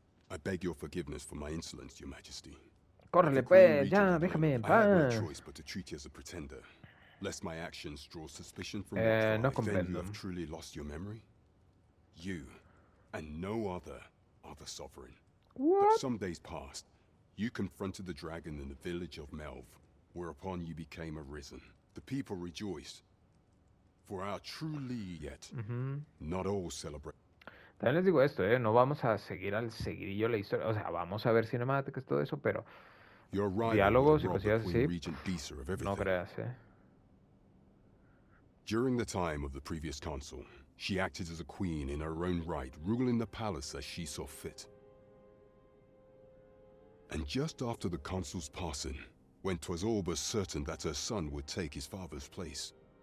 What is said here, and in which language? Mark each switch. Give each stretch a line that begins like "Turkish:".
English: I beg your forgiveness for my insolence, Your Majesty.
Spanish: Córrele, pues, ya, déjame en paz.
English: I have no choice but to treat you as a pretender, lest my actions draw suspicion from your tribe. Then you have truly lost your memory. You, and no other, are the sovereign. What? But some days passed. You confronted the dragon in the village of Melv, whereupon you became arisen. The people rejoiced. For our truly yet, not all celebrate.
Spanish: También les digo esto, no vamos a seguir al seguidillo la historia, o sea, vamos a ver cinemáticas todo eso, pero diálogos y cosas así, no creas,
English: During the time of the previous consul, she acted as a queen in her own right, ruling the palace as she saw fit. And just after the consul's passing, when 'twas all but certain that her son would take his father's place.